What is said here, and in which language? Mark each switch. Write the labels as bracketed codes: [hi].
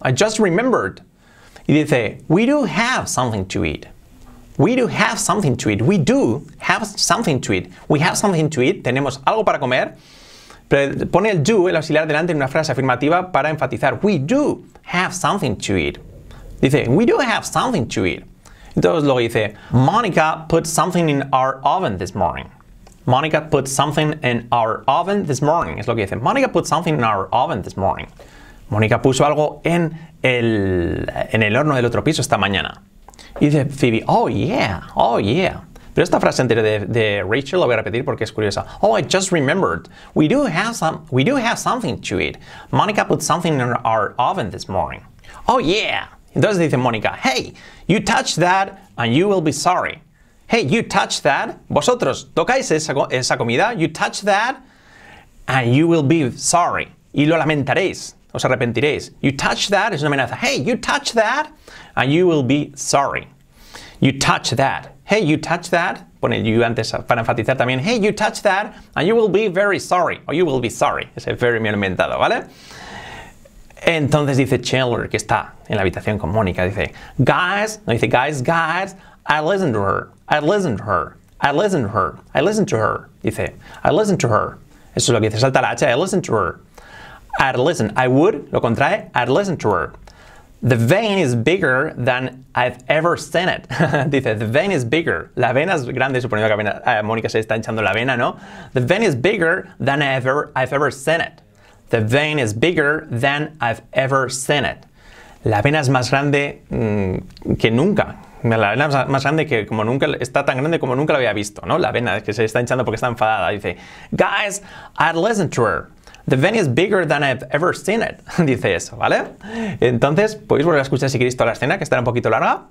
[en] I just remembered. [es] Y dice, [en] we do have something to eat. We do have something to eat. We do have something to eat. We have something to eat. [es] Tenemos algo para comer. Pero pone el do, el auxiliar delante, en una frase afirmativa para enfatizar. [en] We do have something to eat. Dice, we do have something to eat. [es] Entonces luego dice, [en] Monica put something in our oven this morning. Monica put something in our oven this morning. [es] Es lo que dice, [en] Monica put something in our oven this morning. [es] Monica puso algo en el horno del otro piso esta mañana. Y dice Phoebe, [en] oh yeah. [es] Pero esta frase entera de Rachel la voy a repetir porque es curiosa. [en] Oh, I just remembered. We do have something to eat. Monica put something in our oven this morning. Oh, yeah. [es] Entonces dice Mónica, [en] hey, you touch that and you will be sorry. Hey, you touch that. [es] Vosotros tocáis esa comida. [en] You touch that and you will be sorry. [es] Y lo lamentaréis. Os arrepentiréis. [en] You touch that [es] es una amenaza. [en] Hey, you touch that and you will be sorry. You touch that. Hey, you touch that. [es] Pone el you antes para enfatizar también. [en] Hey, you touch that and you will be very sorry. Or you will be sorry. [es] Es el very bien inventado, ¿vale? Entonces dice Chandler, que está en la habitación con Mónica, dice, guys, no dice guys, [en] I listened to her. [es] Dice, [en] I listened to her. [es] Eso es lo que dice, salta la H, I listened to her. [en] I'd listen, I would, [es] lo contrae, [en] I'd listen to her. The vein is bigger than I've ever seen it. Dice, the vein is bigger. [es] La vena es grande, suponiendo que Mónica se está hinchando la vena, ¿no? [en] The vein is bigger than I've ever seen it. The vein is bigger than I've ever seen it. [es] La vena es más grande que nunca, La vena más grande que como nunca, está tan grande como nunca la había visto, ¿no? La vena es que se está hinchando porque está enfadada. [en] Dice, guys, I'd listen to her. The vein is bigger than I've ever seen it. [es] Dice eso, ¿vale? Entonces, podéis volver a escuchar si queréis toda la escena, que estará un poquito larga.